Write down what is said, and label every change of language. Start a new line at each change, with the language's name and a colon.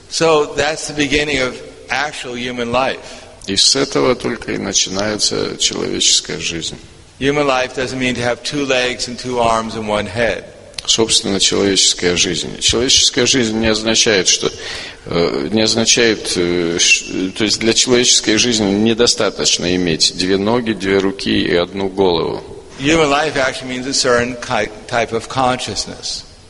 English: So that's the beginning of actual human life.
Russian: И с этого только и начинается человеческая жизнь.
English: Human life doesn't mean to have two legs and two arms and one head.
Russian: Собственно, человеческая жизнь. Человеческая жизнь не означает, что то есть для человеческой жизни недостаточно иметь две ноги, две руки и одну голову.
English: Human life actually means a certain type of consciousness.